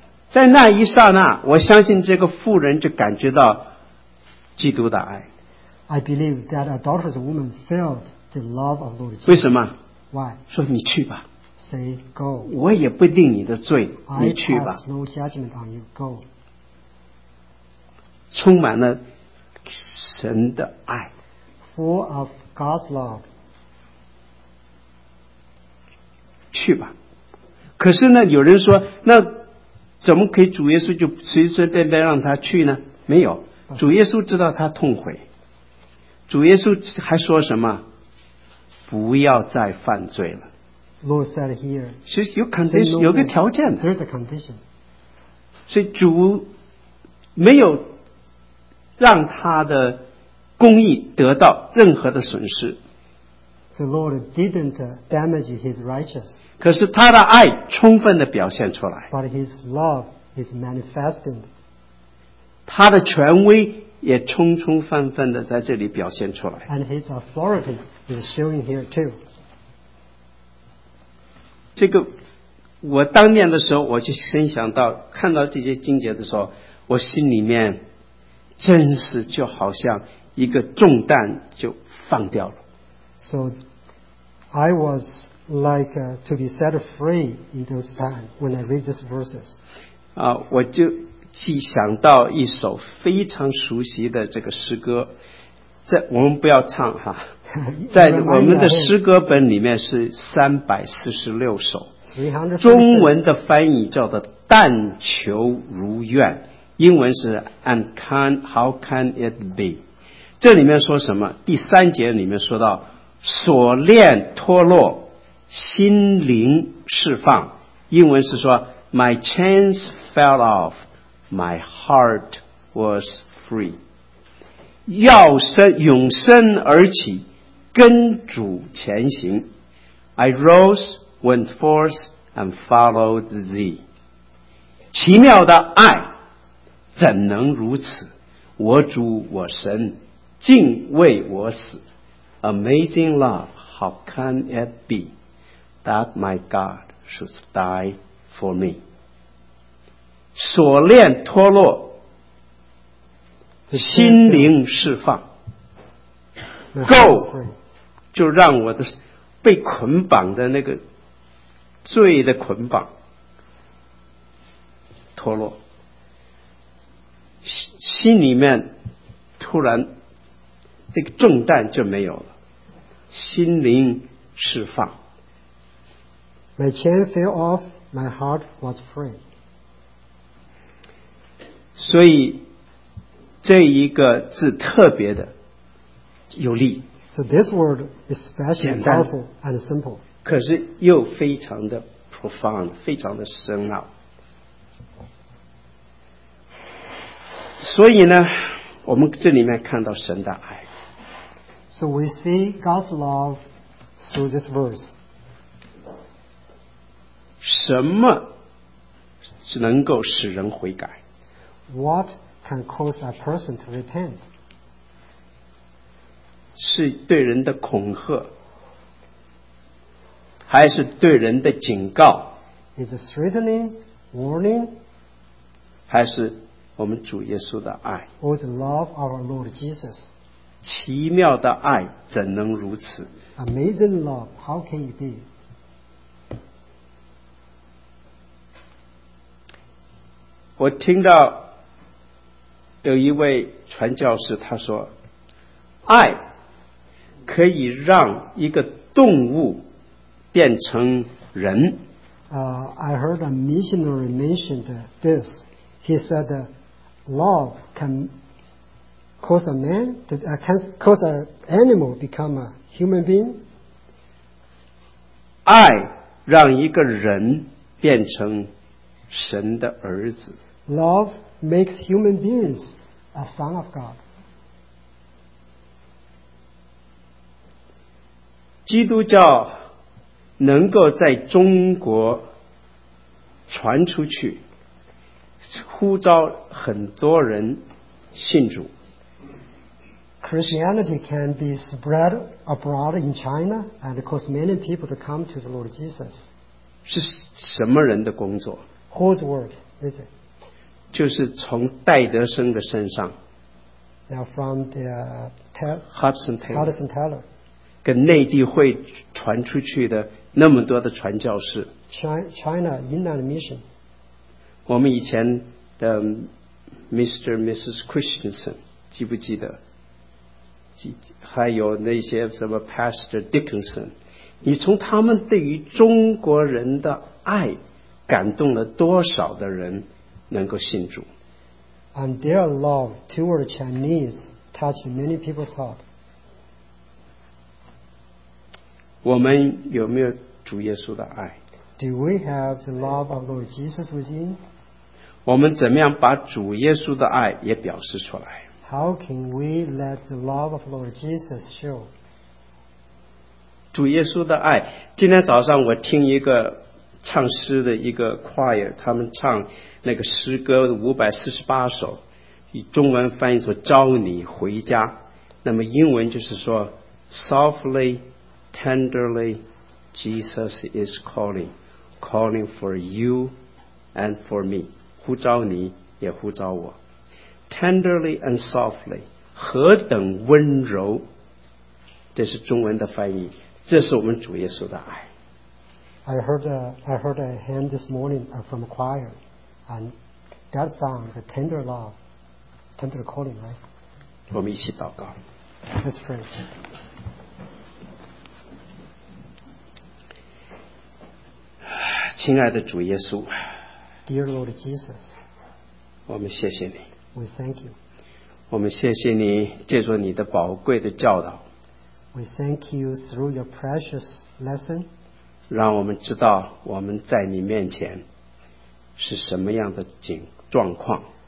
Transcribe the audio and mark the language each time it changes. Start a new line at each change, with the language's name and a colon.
Chinese: 在那一刹那，我相信这个妇人就感觉到基督的爱。
English: I believe that adulterous woman felt the love of Lord Jesus.
Chinese: 为什么？
English: Why?
Chinese: 说你去吧。
English: Say go.
Chinese: 我也不定你的罪，你去吧。
English: I pass no judgment on you. Go.
Chinese: 充满了神的爱。
English: Full of God's love.
Chinese: 去吧，可是呢，有人说，那怎么可以主耶稣就随随便便让他去呢？没有，主耶稣知道他痛悔，主耶稣还说什么？不要再犯罪了。
English: Lord said here,
Chinese: 是有 condition， 有个条件的。
English: There's a condition.
Chinese: 所以主没有让他的公义得到任何的损失。
English: The Lord didn't damage his righteousness.
Chinese: 可是他的爱充分地表现出来。
English: But his love is manifested.
Chinese: 他的权威也充充分分地在这里表现出来。
English: And his authority is showing here too.
Chinese: 这个我当年的时候，我就深想到，看到这些经节的时候，我心里面真是就好像一个重担就放掉了。
English: So, I was like to be set free in those times when I read these verses.
Chinese: 我就既想到一首非常熟悉的这个诗歌，在我们不要唱哈，在我们的诗歌本里面是346首，中文的翻译叫做《但求如愿》，英文是
English: "And can how can it be?"
Chinese: 这里面说什么？第三节里面说到。锁链脱落，心灵释放。英文是说
English: ，My chains fell off, my heart was free.
Chinese: 要生永生而起，跟主前行。
English: I rose, went forth, and followed thee.
Chinese: 奇妙的爱怎能如此？我主我神，竟为我死。
English: Amazing love, how can it be that my God should die for me?
Chinese: 锁链脱落，心灵释放。 Go, 就让我的被捆绑的那个罪的捆绑脱落，心里面突然那个重担就没有了，心灵释放。
English: My chain fell off, my heart was free.
Chinese: 所以这一个字特别的有力。
English: So this word is special, powerful, and simple.
Chinese: 可是又非常的 profound, 非常的深奥。所以呢，我们这里面看到神的爱。
English: So we see God's love through this verse.
Chinese: 什么能够使人悔改？
English: What can cause a person to repent?
Chinese: 是对人的恐吓，还是对人的警告？
English: Is a threatening warning?
Chinese: 还是我们主耶稣的爱？
English: Or the love of our Lord Jesus?
Chinese: 奇妙的爱怎能如此？
English: Amazing love, how can it be?
Chinese: 我听到有一位传教士他说，爱可以让一个动物变成人。
English: I heard a missionary mentioned this. He said love can cause a man to cause an animal become a human being.
Chinese: 爱让一个人变成神的儿子。
English: Love makes human beings a son of God.
Chinese: 基督教能够在中国传出去，呼召很多人信主。
English: Christianity can be spread abroad in China and cause many people to come to the Lord Jesus.
Chinese: 是什么人的工作？
English: Whose work is it?
Chinese: 就是从戴德生的身上。
English: Now from the Hudson Taylor. Hudson Taylor.
Chinese: 跟内地会传出去的那么多的传教士。
English: China, Inland Mission.
Chinese: 我们以前的 Mr. Mrs. Christensen, 记不记得？还有那些什么 Pastor Dickinson, 你从他们对于中国人的爱感动了多少的人能够信主。
English: And their love toward Chinese touched many people's heart.
Chinese: 我们有没有主耶稣的爱？
English: Do we have the love of Lord Jesus within?
Chinese: 我们怎么样把主耶稣的爱也表示出来？
English: How can we let the love of Lord Jesus show?
Chinese: 主耶稣的爱，今天早上我听一个唱诗的一个 choir, 他们唱那个诗歌548首，以中文翻译说招你回家，那么英文就是说
English: Softly, tenderly, Jesus is calling for you and for me,
Chinese: 呼召你也呼召我。
English: Tenderly and softly,
Chinese: 何等温柔，这是中文的翻译，这是我们主耶稣的爱。
English: I heard a hymn this morning from a choir, and that song, the tender love, tender calling, right?
Chinese: 我们一起祷告。
English: Let's pray.
Chinese: 亲爱的主耶稣。
English: Dear Lord Jesus.
Chinese: 我们谢谢你。
English: We thank you.
Chinese: 我们谢谢你借着你的宝贵的教导。
English: We thank you through your precious lesson.
Chinese: 让我们知道我们在你面前是什么样的状况。